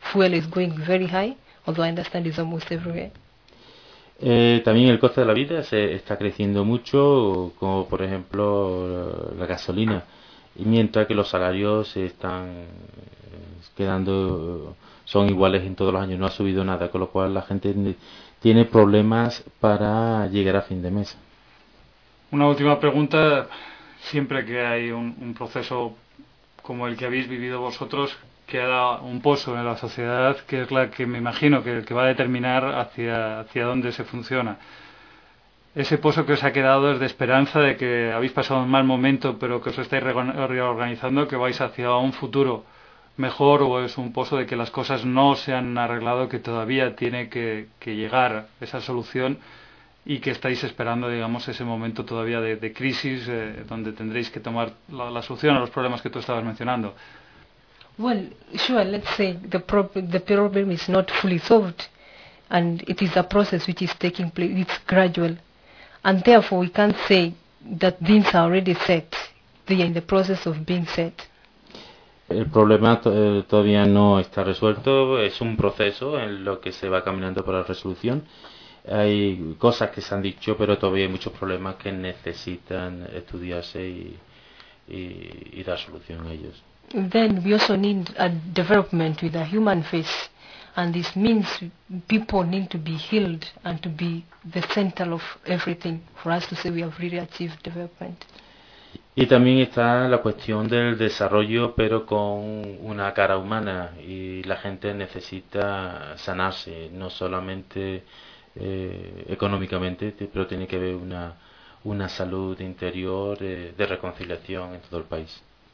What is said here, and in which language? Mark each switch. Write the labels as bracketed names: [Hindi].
[English] Fuel is going very high, although I understand it's almost everywhere. [Spanish] También el coste de la vida se está creciendo mucho, como por ejemplo la gasolina, y mientras que los salarios se están quedando, son iguales en todos los años, no ha subido nada, con lo cual la gente tiene problemas para llegar a fin de mes. Una última pregunta, siempre que hay un proceso como el que habéis vivido vosotros, queda un pozo en la sociedad, que es la que me imagino que el que va a determinar hacia dónde se funciona. Ese pozo que os ha quedado es de esperanza, de que habéis pasado un mal momento, pero que os estáis reorganizando, que vais hacia un futuro mejor, o es un pozo de que las cosas no se han arreglado, que todavía tiene que llegar esa solución, y que estáis esperando, digamos, ese momento todavía de crisis, donde tendréis que tomar la solución a los problemas que tú estabas mencionando. [English] Well, sure, let's say the problem is not fully solved, and it is a process which is taking place, it's gradual. And therefore we can't say that things are already set, they are in the process of being set. [Spanish] El problema todavía no está resuelto, es un proceso en lo que se va caminando para la resolución. Hay cosas que se han dicho, pero todavía hay muchos problemas que necesitan estudiarse y dar solución a ellos. [English] Then we also need a development with a human face, and this means people need to be healed and to be the center of everything for us to say we have really achieved development. [Spanish] Y también está la cuestión del desarrollo, pero con una cara humana, y la gente necesita sanarse, no solamente económicamente, pero tiene que haber una salud interior de reconciliación en todo el país.